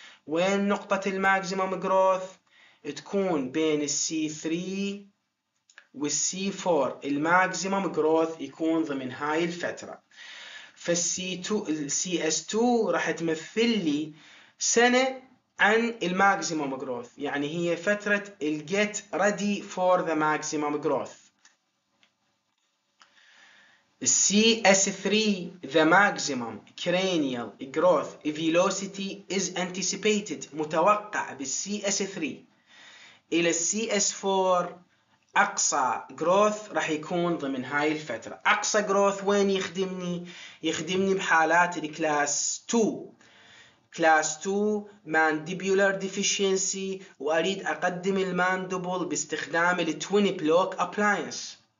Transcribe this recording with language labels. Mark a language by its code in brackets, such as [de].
[ar] وين نقطة الماكسيمم جروث؟ تكون بين السي 3 والسي 4، الماكسيمم جروث يكون ضمن هاي الفترة. فالسي 2 السي اس 2 راح تمثل لي سنة عن الماكسيمم جروث، يعني هي فترة الجيت ريدي فور ذا ماكسيمم جروث. [en] CS3 the maximum cranial growth velocity is anticipated، [ar] متوقع بالCS3. إلى CS4 أقصى growth راح يكون ضمن هاي الفترة. أقصى growth وين يخدمني؟ يخدمني بحالات الكلاس 2. كلاس 2 mandibular deficiency وأريد أقدم الماندبل باستخدام التوين بلوك أبلاينس.